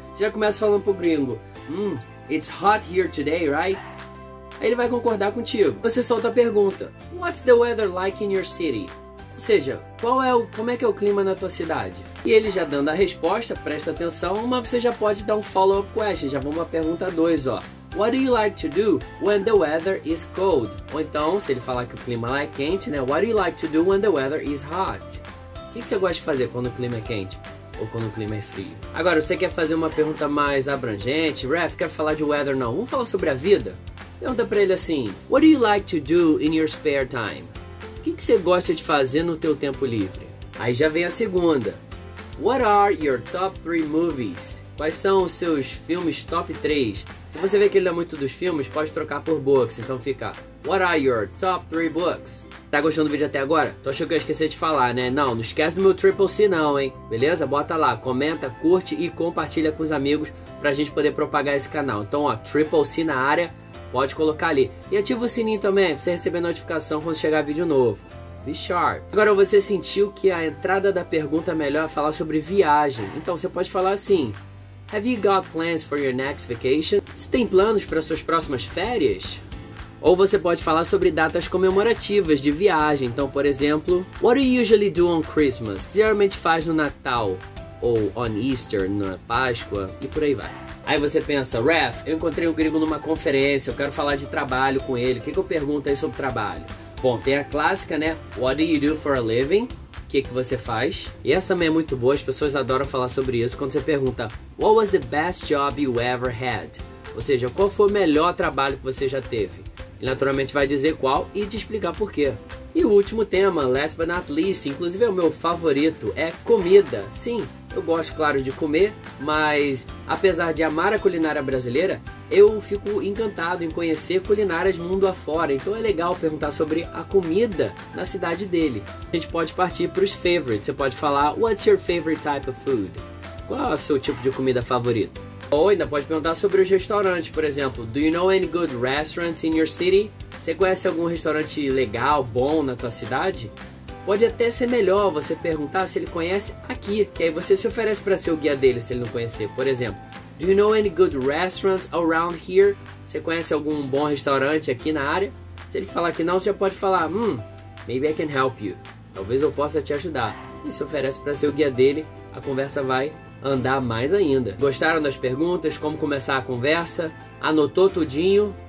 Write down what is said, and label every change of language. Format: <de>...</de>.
<pt>Você já começa falando pro gringo,</pt> <en>it's hot here today, right?</en> <pt>Aí ele vai concordar contigo. Você solta a pergunta,</pt> <en>what's the weather like in your city?</en> <pt>Ou seja, como é que é o clima na tua cidade? E ele já dando a resposta, presta atenção, mas você já pode dar um follow-up question, já vamos pra pergunta 2, ó.</pt> <en>What do you like to do when the weather is cold?</en> <pt>Ou então, se ele falar que o clima lá é quente, né?</pt> <en>What do you like to do when the weather is hot?</en> <pt>O que você gosta de fazer quando o clima é quente ou quando o clima é frio? Agora, você quer fazer uma pergunta mais abrangente? Raf, quer falar de weather não? Vamos falar sobre a vida? Pergunta pra ele assim,</pt> <en>what do you like to do in your spare time?</en> <pt>O que você gosta de fazer no teu tempo livre? Aí já vem a segunda.</pt> <en>What are your top 3 movies?</en> <pt>Quais são os seus filmes top 3? Se você vê que ele é muito dos filmes, pode trocar por books. Então fica,</pt> <en>what are your top 3 books?</en> <pt>Tá gostando do vídeo até agora? Tô achando que eu esqueci de falar, né? Não esquece do meu Triple C não, hein? Beleza? Bota lá, comenta, curte e compartilha com os amigos pra gente poder propagar esse canal. Então, ó, Triple C na área, pode colocar ali. E ativa o sininho também pra você receber notificação quando chegar vídeo novo.</pt> <en>Be sharp.</en> <pt>Agora, você sentiu que a entrada da pergunta melhor é falar sobre viagem. Então, você pode falar assim...</pt> <en>Have you got plans for your next vacation?</en> <pt>Você tem planos para suas próximas férias? Ou você pode falar sobre datas comemorativas de viagem. Então, por exemplo,</pt> <en>what do you usually do on Christmas?</en> <pt>Você geralmente faz no Natal ou on Easter, na Páscoa e por aí vai. Aí você pensa, Raf, eu encontrei um gringo numa conferência, eu quero falar de trabalho com ele. O que eu pergunto aí sobre trabalho? Bom, tem a clássica, né?</pt> <en>What do you do for a living?</en> <pt>O que você faz? E essa também é muito boa, as pessoas adoram falar sobre isso quando você pergunta</pt> <en>what was the best job you ever had?</en> <pt>Ou seja, qual foi o melhor trabalho que você já teve? E naturalmente vai dizer qual e te explicar por quê. E o último tema,</pt> <en>last but not least,</en> <pt>inclusive é o meu favorito, é comida. Sim, eu gosto, claro, de comer, mas apesar de amar a culinária brasileira, eu fico encantado em conhecer culinárias mundo afora. Então é legal perguntar sobre a comida na cidade dele. A gente pode partir para os favorites. Você pode falar,</pt> <en>what's your favorite type of food?</en> <pt>Qual é o seu tipo de comida favorito? Ou ainda pode perguntar sobre os restaurantes, por exemplo.</pt> <en>Do you know any good restaurants in your city?</en> <pt>Você conhece algum restaurante legal, bom na tua cidade? Pode até ser melhor você perguntar se ele conhece aqui. Que aí você se oferece para ser o guia dele se ele não conhecer, por exemplo.</pt> <en>Do you know any good restaurants around here?</en> <pt>Você conhece algum bom restaurante aqui na área? Se ele falar que não, você já pode falar,</pt> <en>maybe I can help you.</en> <pt>Talvez eu possa te ajudar. E se oferece para ser o guia dele, a conversa vai andar mais ainda. Gostaram das perguntas? Como começar a conversa? Anotou tudinho?</pt>